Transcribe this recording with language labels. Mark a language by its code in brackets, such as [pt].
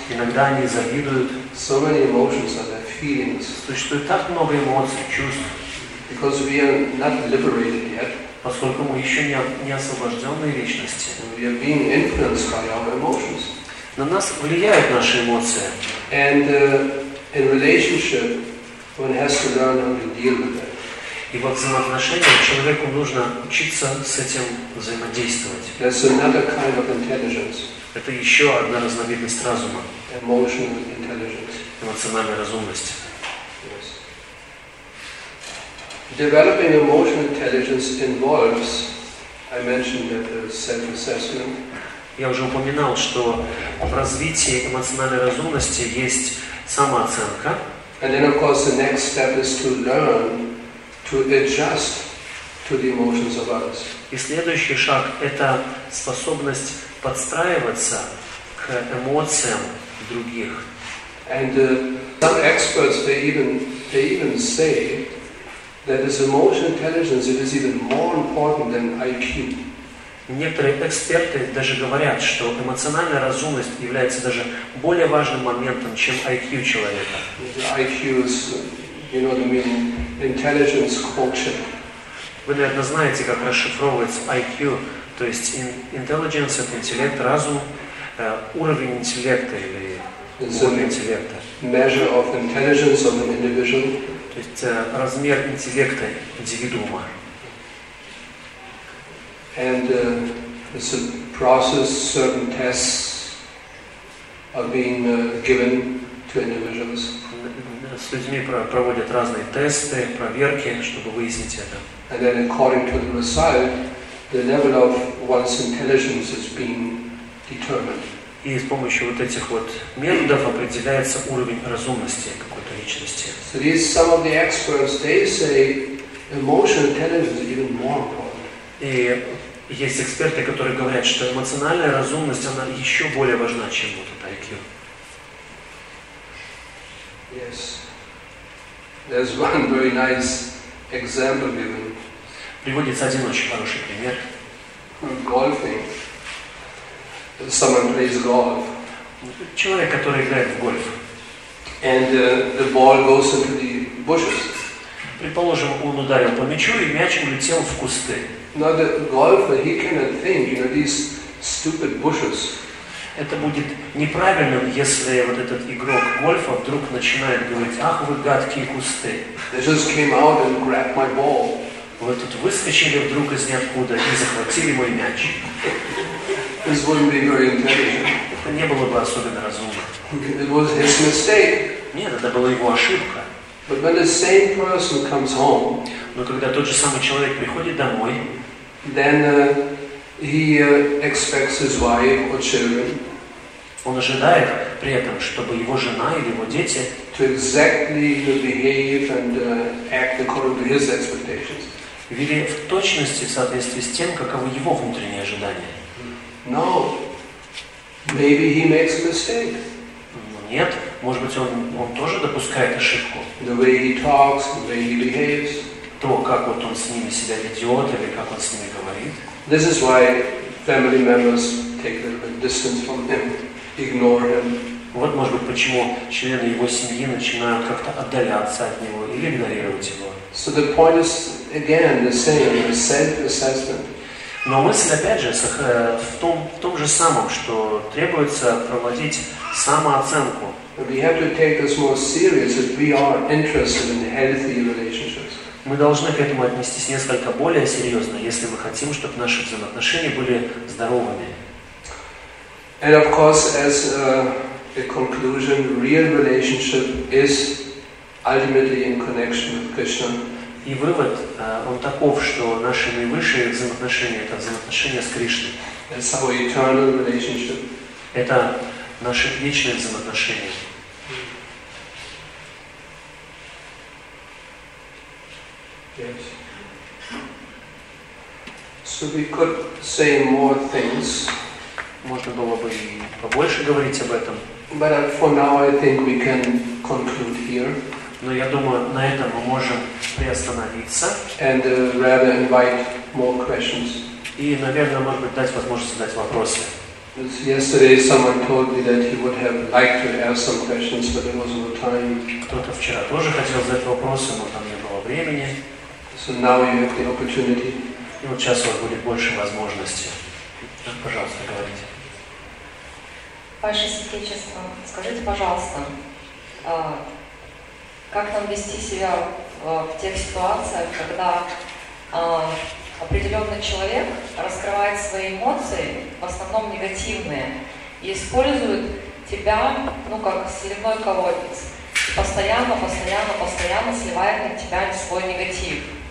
[ru] Иногда они завидуют. [en] So many emotions are their feelings. [ru] Существует так много эмоций, чувств. [en] Because we are not liberated yet. [ru] Поскольку мы еще не освобожденные личности. [en] We are being influenced by our emotions. [ru] На нас влияют наши эмоции. [en] And in relationship, one has to learn how to deal with it. [ru] И во взаимоотношениях человеку нужно учиться с этим взаимодействовать. [en] That's another kind of intelligence. [ru] Это еще одна разновидность разума. [en] Emotional intelligence. [ru] Эмоциональная разумность. [en] Developing emotional intelligence involves, I mentioned that the self-assessment. [ru] Я уже упоминал, что в развитии эмоциональной разумности есть самооценка. [en] And then, of course, the next step is to learn to adjust to the emotions of others. [ru] И следующий шаг — это способность подстраиваться к эмоциям других. [en] And some experts they even say that is emotional intelligence, it is even more important than IQ. [ru] Некоторые эксперты даже говорят, что эмоциональная разумность является даже более важным моментом, чем IQ человека. [en] IQ is, you know what I mean, intelligence quotient. [ru] Вы, наверное, знаете, как расшифровывается IQ, то есть intelligence — это интеллект, разум, уровень интеллекта или уровень интеллекта. [en] Measure of intelligence of an individual. [ru] То есть размер интеллекта индивидуума. [en] And it's a process, certain tests are being given to individuals. [ru] С людьми проводят разные тесты, проверки, чтобы выяснить это. [en] And then according to the result, the level of one's intelligence is being determined. [ru] И с помощью вот этих вот методов определяется уровень разумности какой-то личности. [en] So these some of the experts, they say emotional intelligence is even more important. [ru] И есть эксперты, которые говорят, что эмоциональная разумность, она еще более важна, чем вот это IQ. [en] Yes. There's one very nice example given. [ru] Приводится один очень хороший пример. [en] Golfing. Someone plays golf. [ru] Человек, который играет в гольф. [en] And the ball goes into the bushes. [ru] Предположим, он ударил по мячу, и мяч улетел в кусты. [en] Now the golfer, he cannot think, you know, these stupid bushes. [ru] Это будет неправильным, если вот этот игрок гольфа вдруг начинает говорить: «Ах, вы гадкие кусты!» [en] They just came out and grabbed my ball. [ru] Вы тут выскочили вдруг из ниоткуда и захватили мой мяч. [en] This wouldn't be very intelligent. [ru] Это не было бы особенно разумно. [en] It was his mistake. [ru] Нет, это была его ошибка. [en] But when the same person comes home, [ru] но когда тот же самый человек приходит домой, [en] then he expects his wife or children. [ru] Он ожидает при этом, чтобы его жена или его дети [en] to exactly behave and act according to his expectations. [ru] Вели в точности в соответствии с тем, каковы его внутренние ожидания. [en] No, maybe he makes a mistake. [ru] нет, может быть, он тоже допускает ошибку. [en] The way he talks, the way he behaves. [ru] То, как вот он с ними себя ведет или как он с ними говорит. [en] This is why family members take a little bit distance from him, ignore him. [ru] Вот, может быть, почему члены его семьи начинают как-то отдаляться от него или игнорировать его. [en] So the point is again the same, the same assessment. [ru] Но мысль опять же в том же самом, что требуется проводить самооценку. [en] We have to take this more serious if we are interested in healthy relationships. [ru] Мы должны к этому отнестись несколько более серьезно, если мы хотим, чтобы наши взаимоотношения были здоровыми. [en] And of course, as a conclusion, real relationship is ultimately in connection with Krishna. [ru] И вывод, он таков, что наши наивысшие взаимоотношения — это взаимоотношения с Кришной. [en] That's our eternal relationship. [ru] Это наши вечные взаимоотношения. [en] Yes. So we could say more things. [ru] Можно было бы и побольше говорить об этом. [en] But for now, I think we can conclude here. [ru] Но я думаю, на этом мы можем приостановиться. [en] And rather invite more questions. [ru] И, наверное, может быть, дать возможность задать вопросы. [en] Yesterday, someone told me that he would have liked to have some questions, but there wasn't time. [ru] Кто-то вчера тоже хотел задать вопросы, но там не было времени. [en] So now you have the opportunity. [ru] И вот сейчас у вас будет больше возможностей. Так, пожалуйста, говорите. Ваше святейшество, скажите, пожалуйста, как нам вести себя в тех ситуациях, когда определенный человек раскрывает свои эмоции, в основном негативные, и использует тебя, ну, как сливной колодец, и постоянно сливает на тебя свой негатив.